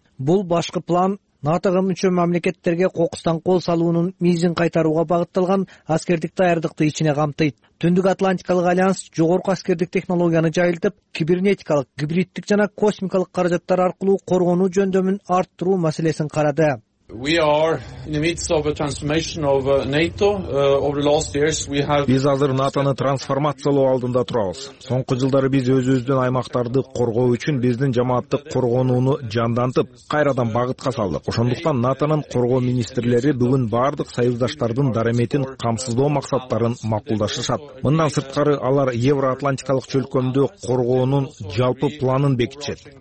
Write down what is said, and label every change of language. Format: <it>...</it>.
<ky>Бул башкы план НАТОго мүчө мамлекеттерге кокустан кол салуунун мизин кайтарууга багытталган аскердик даярдыкты ичине камтыйт. Түндүк Атлантикалык альянс жогорку аскердик технологияны жайылтып, кибернетикалык, гибриддик жана космикалык каражаттар аркылуу коргонуу жөндөмүн арттыруу маселесин карады.</ky> <en>We are in the midst of a transformation of NATO. Over the last years, we have.</en> <ky>Биз азыр НАТО-ны трансформациялоо алдында турабыз. Соңку жылдары биз өзүбүздүн аймактарды коргоо үчүн биздин жамааттык коргонууну жандантып, кайрадан багытка салдык. Ошондуктан НАТО-нун коргоо министрлери бүгүн бардык союздаштардын дараметин камсыздоо максаттарын макулдашышат. Мындан сырткары алар евроатлантикалык чөлкөмдү коргоонун жалпы планын бекитишет.</ky>